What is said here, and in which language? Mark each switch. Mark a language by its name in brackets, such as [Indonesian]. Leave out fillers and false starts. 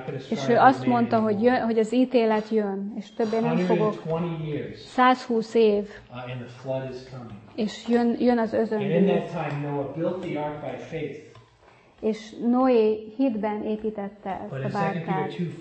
[Hungarian] És ő azt mondta, hogy jön, hogy az ítélet jön, és többé nem fogok. 120 év. [English] And the flood is coming. [Hungarian] És jön az özönvíz. [English] And in that time, Noah built the ark by faith. [Hungarian] És Noé hitben építette ezt a bárkát.